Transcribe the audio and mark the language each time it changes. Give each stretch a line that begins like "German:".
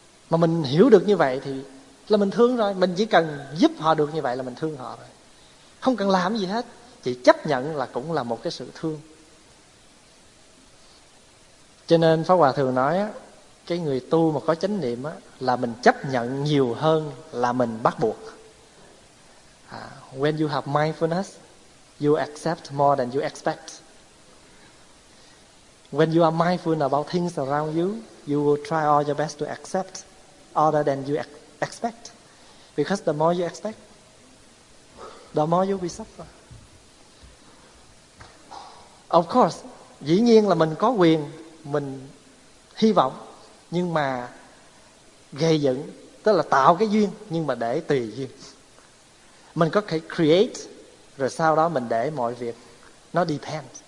Vietnamese: Mà mình hiểu được như vậy thì là mình thương rồi. Mình chỉ cần giúp họ được như vậy là mình thương họ rồi. Không cần làm gì hết. Chỉ chấp nhận là cũng là một cái sự thương. Cho nên Pháp Hòa thường nói á, cái người tu mà có chánh niệm á, là mình chấp nhận nhiều hơn là mình bắt buộc.
English: When you have mindfulness, you accept more than you expect. When you are mindful about things around you, you will try all your best to accept other than you expect. Because the more you expect, the more you will suffer. Of course,
Vietnamese: dĩ nhiên là mình có quyền, mình hy vọng, nhưng mà gây dựng, tức là tạo cái duyên, nhưng mà để tùy duyên. Mình có thể create, rồi sau đó mình để mọi việc, nó depend.